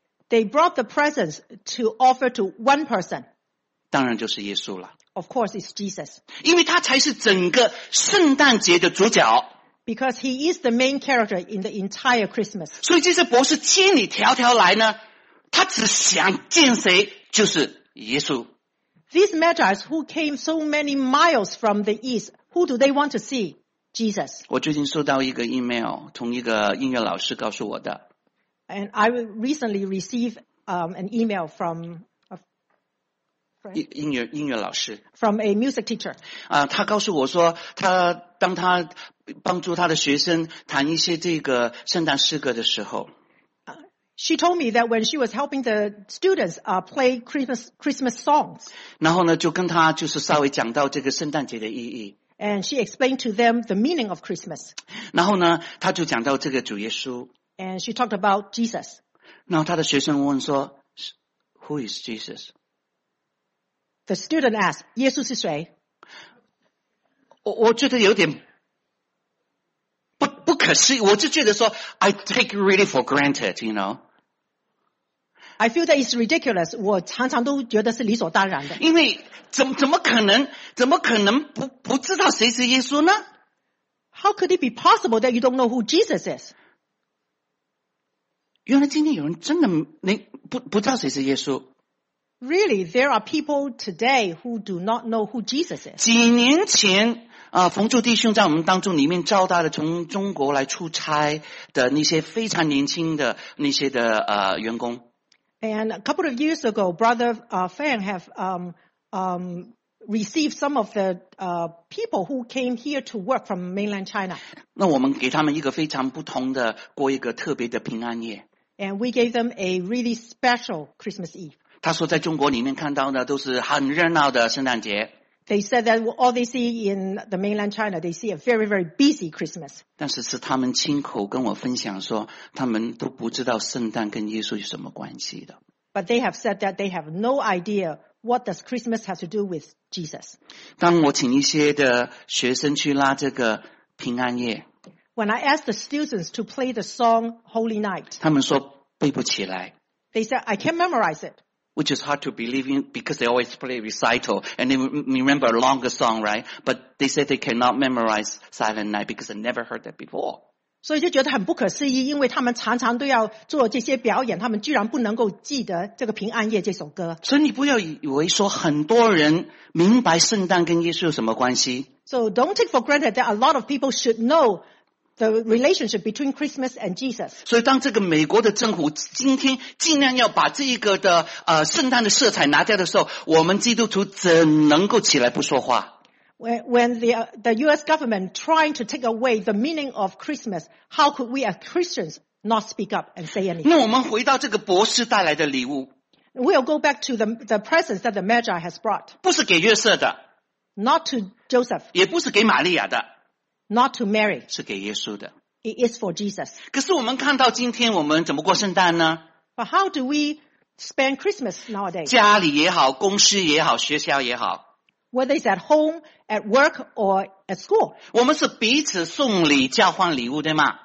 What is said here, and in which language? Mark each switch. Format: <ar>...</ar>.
<en>They brought the presents to offer to one person.</en> <zh>当然就是耶稣了。</zh> <en>Of course, it's Jesus.</en> <zh>因为他才是整个圣诞节的主角。</zh> <en>Because he is the main character in the entire Christmas.</en> <zh>所以这些博士千里迢迢来呢，他只想见谁，就是耶稣。</zh> <en>These magi who came so many miles from the east, who do they want to see? Jesus.</en> <zh>我最近收到一个 email， 从一个音乐老师告诉我的。</zh> <en>And I recently received an email from a friend.</en> <zh>音乐老师。</zh> <en>From a music teacher.</en> <zh>他告诉我说，他当他帮助他的学生弹一些这个圣诞诗歌的时候。</zh> <en>She told me that when she was helping the students play Christmas songs.</en> <zh>然后呢就跟他就是稍微讲到这个圣诞节的意义。</zh> <en>And she explained to them the meaning of Christmas.</en> <zh>然后呢他就讲到这个主耶稣。</zh> <en>And she talked about Jesus.</en> <zh>然后他的学生问说</zh> <en>Who is Jesus? The student asked,</en> <zh>耶稣是谁？我觉得有点不可思议，我就觉得说</zh> <en>I take really for granted, you know. I feel that it's ridiculous.</en> <zh>我常常都觉得是理所当然的。因为怎么可能不知道谁是耶稣呢？</zh> <en>How could it be possible that you don't know who Jesus is?</en> <zh>原来今天有人真的不知道谁是耶稣。</zh> <en>Really, there are people today who do not know who Jesus is.</en> <zh>几年前冯柱弟兄在我们当中里面招待了从中国来出差的那些非常年轻的那些的员工。</zh> <en>And a couple of years ago, Brother Fan have received some of the people who came here to work from mainland China.</en> <zh>那我们给他们一个非常不同的过一个特别的平安夜。</zh> <en>And we gave them a really special Christmas Eve.</en> <zh>他说在中国里面看到的都是很热闹的圣诞节。</zh> <en>They said that all they see in the mainland China, they see a very, very busy Christmas.</en> <zh>但是是他们亲口跟我分享说，他们都不知道圣诞跟耶稣有什么关系的。</zh> <en>But they have said that they have no idea what does Christmas have to do with Jesus.</en> <zh>当我请一些的学生去拉这个平安夜。</zh> <en>When I asked the students to play the song Holy Night.</en> <zh>他们说背不起来。</zh> <en>They said, I can't memorize it. Which is hard to believe in because they always play recital and they remember a longer song, right? But they said they cannot memorize Silent Night because they never heard that before.</en> <zh>所以就觉得很不可思议，因为他们常常都要做这些表演，他们居然不能够记得这个平安夜这首歌。所以你不要以为说很多人明白圣诞跟耶稣有什么关系。</zh> <en>So don't take for granted that a lot of people should know. The relationship between Christmas and Jesus.</en> <zh>所以当这个美国的政府今天尽量要把这一个的圣诞的色彩拿掉的时候，我们基督徒怎能够起来不说话？</zh> <en>When the US government trying to take away the meaning of Christmas, how could we as Christians not speak up and say anything?</en> <zh>那我们回到这个博士带来的礼物。</zh> <en>We'll go back to the presents that the Magi has brought.</en> <zh>不是给约瑟的。</zh> <en>Not to Joseph.</en> <zh>也不是给玛利亚的。</zh> <en>Not to Mary.</en> <zh>是给耶稣的。</zh> <en>It is for Jesus.</en> <zh>可是我们看到今天我们怎么过圣诞呢？</zh> <en>But how do we spend Christmas nowadays?</en> <zh>家里也好，公司也好，学校也好。</zh> <en>Whether it's at home, at work, or at school.</en> <zh>我们是彼此送礼，交换礼物，对吗？</zh>